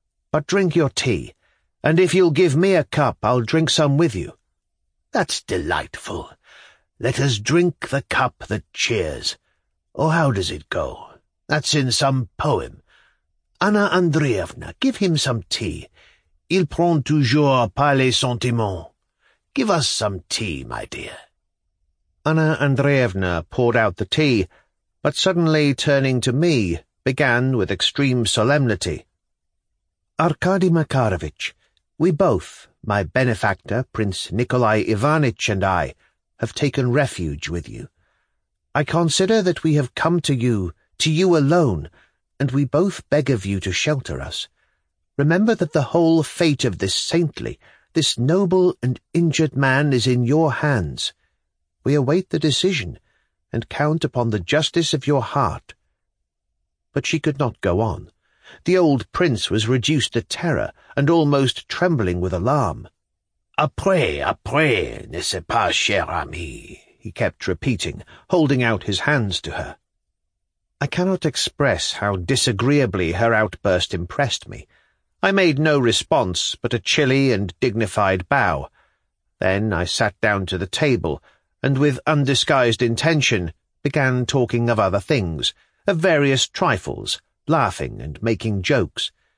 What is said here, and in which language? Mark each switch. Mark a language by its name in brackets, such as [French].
[English] But drink your tea, and if you'll give me a cup, I'll drink some with you." "That's delightful. Let us drink the cup that cheers. Oh, how does it go? That's in some poem. Anna Andreevna, give him some tea. [French] Il prend toujours pas les sentiments. [English] Give us some tea, my dear." Anna Andreevna poured out the tea, but suddenly turning to me, began with extreme solemnity, "Arkady Makarovich, we both, my benefactor, Prince Nikolai Ivanich and I, have taken refuge with you. I consider that we have come to you alone, and we both beg of you to shelter us. Remember that the whole fate of this saintly, this noble and injured man, is in your hands. We await the decision, and count upon the justice of your heart." But she could not go on. The old prince was reduced to terror, and almost trembling with alarm. [French] "Après, après, n'est-ce pas, cher ami?" [English] he kept repeating, holding out his hands to her. I cannot express how disagreeably her outburst impressed me. I made no response but a chilly and dignified bow. Then I sat down to the table, and with undisguised intention began talking of other things, of various trifles, laughing and making jokes.